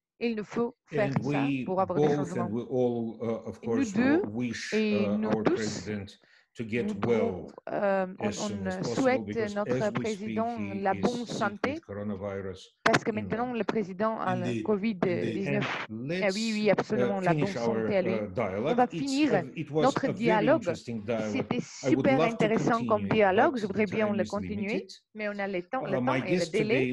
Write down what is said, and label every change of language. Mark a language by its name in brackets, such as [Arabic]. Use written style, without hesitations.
[French] Il nous faut faire ça pour avoir des changements. [English] And we all, of course, wish our president to get well as soon as possible, because [French] notre président la bonne santé, parce que maintenant le président a le COVID-19. Absolument, la bonne santé à lui. On va finir notre dialogue. C'était super intéressant comme dialogue. Je voudrais bien le continuer, mais on a le temps et le délai.